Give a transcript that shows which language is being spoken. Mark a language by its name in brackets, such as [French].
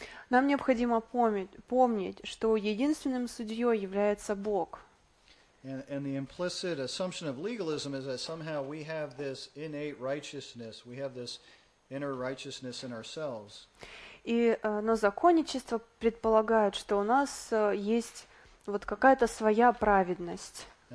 [Russian] Нам необходимо помнить, что единственным судьей является Бог. [English] And the implicit assumption of legalism is that somehow we have this innate righteousness, we have this inner righteousness in ourselves. [Russian] Но законничество предполагает, что у нас есть вот какая-то своя праведность.